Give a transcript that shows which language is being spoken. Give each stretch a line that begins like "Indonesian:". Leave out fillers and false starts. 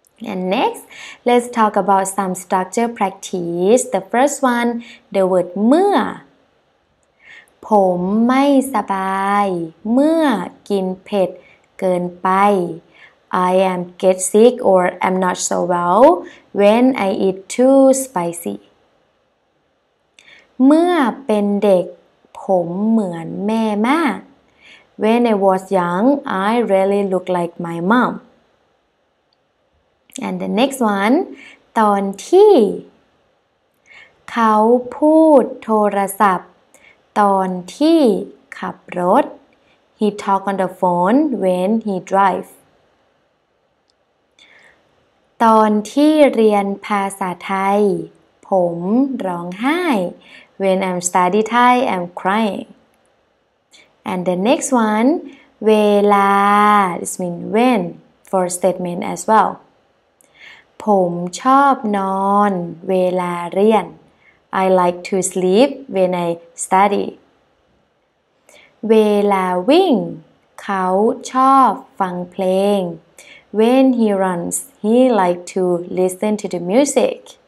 English: And next, let's talk about some structure practice. The first one, the word
Thai: เมื่อผมไม่สบายเมื่อกินเผ็ดเกินไป
English: I am get sick or am not so well when I eat too spicy.
Thai: เมื่อเป็นเด็กผมเหมือนแม่มาก
English: When I was young, I really looked like my mom. And the next one,
Thai: ตอนที่เขาพูดโทรศัพท์ตอนที่ขับรถ
English: He talked on the phone when he drive.
Thai: ตอนที่เรียนภาษาไทยผมร้องไห้
English: When I'm study Thai, I'm crying. And the next one, เวลา this means when for statement as well.
Thai: ผมชอบนอนเวลาเรียน
English: I like to sleep when I study.
Thai: เวลาวิ่งเขาชอบฟังเพลง
English: When he runs, he like to listen to the music.